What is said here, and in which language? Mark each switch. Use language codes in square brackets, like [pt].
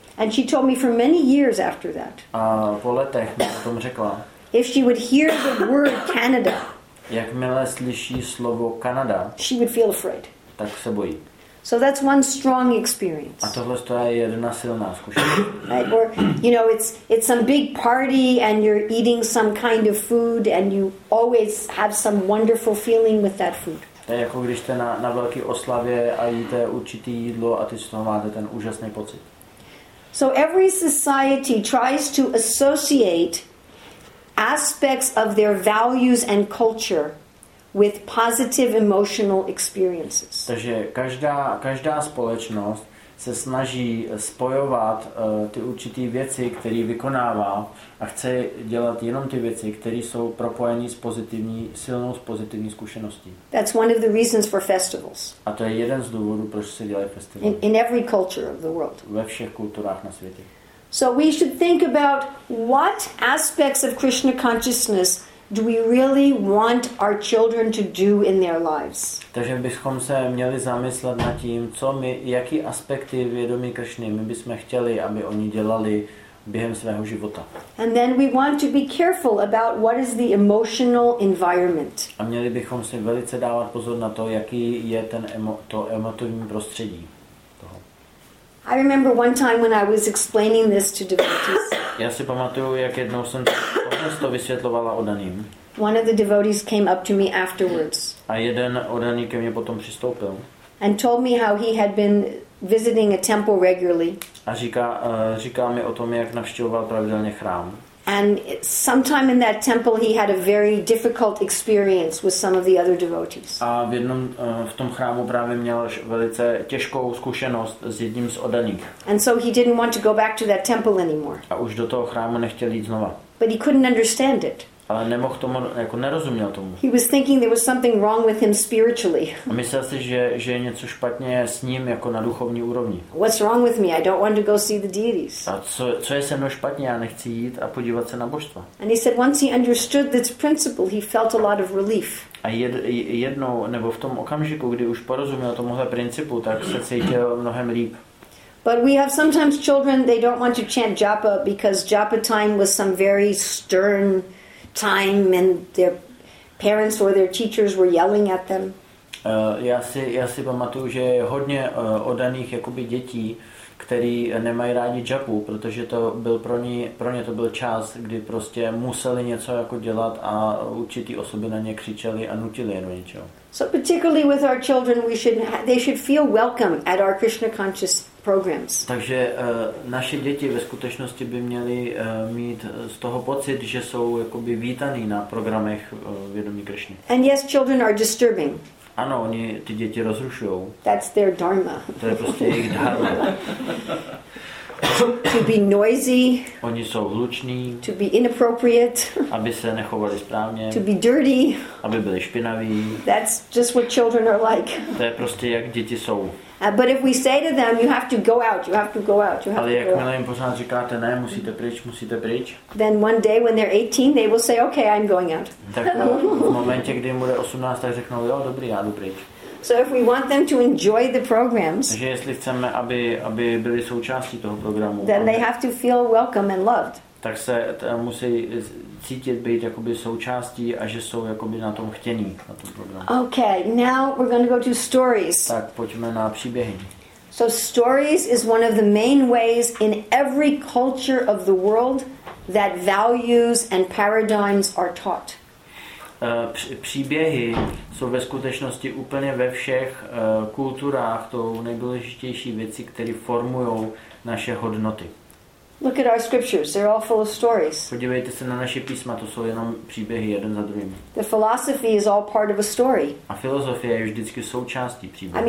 [en] And she told me for many years after that. [cs] A po letech mi o tom řekla. [en] If she would hear the word Canada. [cs] Jakmile slyší slovo Kanada. [en] She would feel afraid. [cs] Tak se bojí. [en] So that's one strong experience. [cs] A tohle to je jedna silná zkušenost. [en] Right? Or you know, it's some big party and you're eating some kind of food and you always have some wonderful feeling with that food. [cs] To je jako když jste na velké oslavě a jíte určitý jídlo a ty z toho máte ten úžasný pocit. [en] So every society tries to associate aspects of their values and culture with positive emotional experiences. [cs] Takže každá společnost se snaží spojovat ty určité věci, které vykonává, a chce dělat jenom ty věci, které jsou propojené s pozitivní, silnou s pozitivní zkušeností. [en] That's one of the reasons for festivals. [cs] A to je jeden z důvodů, proč se dělají festivaly. [en] In every culture of the world. [cs] Ve všech kulturách na světě. [en] So we should think about what aspects of Krishna consciousness do we really want our children to do in their lives? [cs] Takže bychom se měli zamyslet nad tím, co my, jaký aspekty vědomí Krišny my bychom chtěli, aby oni dělali během svého života. [en] And then we want to be careful about what is the emotional environment. [cs] A měli bychom si velice dávat pozor na to, jaký je ten to emotivní prostředí. [en] I remember one time when I was explaining this to devotees. [cs] Já si pamatuju, jak jednou jsem to vysvětlovala oddaným. [en] One of the devotees came up to me afterwards. [cs] A jeden oddaný ke mně potom přistoupil. [en] And told me how he had been visiting a temple regularly. [cs] A říkal mi o tom, jak navštěvoval pravidelně chrám. [en] And sometime in that temple he had a very difficult experience with some of the other devotees. [cs] A v jednom v tom chrámu právě měl velice těžkou zkušenost s jedním z oddaných. [en] And so he didn't want to go back to that temple anymore. [cs] A už do toho chrámu nechtěl jít znova. [en] But he couldn't understand it. [cs] Ale nemohl tomu, jako nerozuměl tomu. [en] He was thinking there was something wrong with him spiritually. [cs] A myslel si, že je něco špatně s ním jako na duchovní úrovni. [en] What's wrong with me? I don't want to go see the deities. [cs] A co je se mnou špatně? Já nechci jít a podívat se na božstva. [en] And he said once he understood this principle, he felt a lot of relief. [cs] A jednou nebo v tom okamžiku, kdy už porozuměl tomuhle principu, tak se cítil mnohem líp. [en] But we have sometimes children, they don't want to chant japa because japa time was some very stern time and their parents or their teachers were yelling at them. [cs] Já si pamatuju, že je hodně oddaných jakoby dětí, který nemají rádi japu, protože to byl pro ně to byl čas, kdy prostě museli něco jako dělat a určitý osoby na ně křičeli a nutili je do něčeho. [en] So particularly with our children, they should feel welcome at our Krishna conscious programs. [cs] Takže naše děti ve skutečnosti by měly mít z toho pocit, že jsou jakoby vítaný na programech vědomí Krišny. [en] And yes, children are disturbing. [cs] Ano, oni ty děti rozrušují. [en] That's their dharma. [cs] To je prostě jejich dharma. [en] To be noisy. [cs] Oni jsou hluční. [en] To be inappropriate. [cs] Aby se nechovali správně. [en] To be dirty. [cs] Aby byli špinaví. [en] That's just what children are like. [cs] To je prostě jak děti jsou. [en] But if we say to them, you have to go out, you have to go out, you have to go out. [cs] Ale jakmile jim pořád říkáte, ne, musíte pryč. [en] Then one day when they're 18, they will say, okay, I'm going out. [cs] Tak v momentě, kdy jim bude 18, tak řeknou, jo, dobrý, já jdu pryč. [en] So if we want them to enjoy the programs, [cs] takže jestli chceme, aby byli součástí toho programu, [en] then they have to feel welcome and loved. [cs] Tak se musí cítit být jakoby součástí a že jsou jakoby na tom chtění na tom programu. [en] Okay, now we're going to go to stories. [cs] Tak pojďme na příběhy. [en] So stories is one of the main ways in every culture of the world that values and paradigms are taught. [cs] Příběhy jsou ve skutečnosti úplně ve všech kulturách tou nejdůležitější věci, které formují naše hodnoty. [en] Look at our scriptures, they're all full of stories. [cs] Podívejte se na naše písma, to jsou jenom příběhy jeden za druhým. [en] The philosophy is all part of a story. [cs] A filozofie je vždycky součástí příběhu.